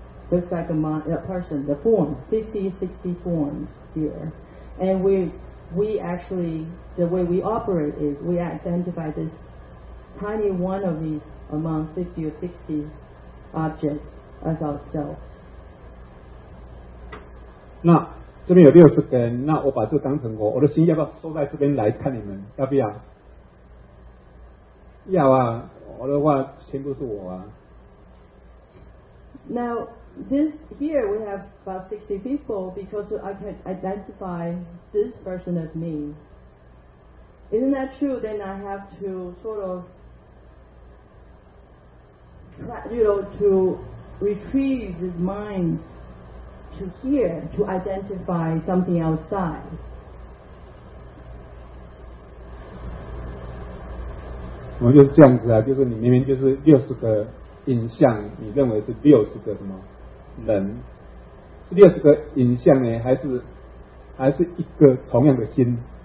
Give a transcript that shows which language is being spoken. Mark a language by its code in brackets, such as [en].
[en] Looks like a person, the form, 50, 60 forms here. And we actually, the way we operate is we identify this tiny one of these among 50 or 60 objects as ourselves. [zh] 那这边有六十个人，那我把这当成我的心要不要收在这边来看你们，要不要？要啊，我的话全部是我啊。 [en] Now, this here we have about 60 people because I can identify this person as me. Isn't that true? Then I have to sort of, you know, to retrieve this mind to here to identify something outside. [zh] 我们就是这样子啊，就是你明明就是六十个影像，你认为是六十个什么人？是六十个影像呢，还是一个同样的心？